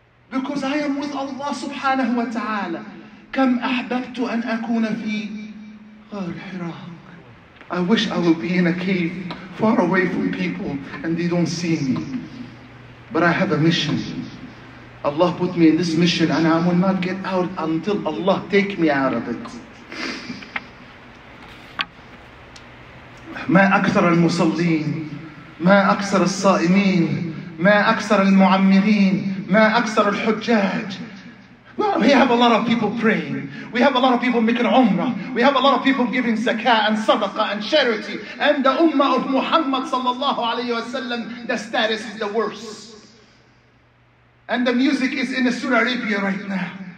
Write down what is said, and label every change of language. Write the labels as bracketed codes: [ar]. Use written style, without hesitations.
[en] Because I am with Allah subhanahu wa ta'ala. [ar] Kam ahbabtu an akuna fi ghar hira. [en] I wish I would be in a cave far away from people and they don't see me. But I have a mission. Allah put me in this mission and I will not get out until Allah take me out of it. [ar] ما أكثر المصلين ما أكثر الصائمين ما أكثر المعمرين ما أكثر الحجاج. [en] Well, we have a lot of people praying. We have a lot of people making umrah. We have a lot of people giving zakah and sadaqah and charity. And the ummah of Muhammad sallallahu alayhi wa sallam, the status is the worst. And the music is in the Saudi Arabia right now.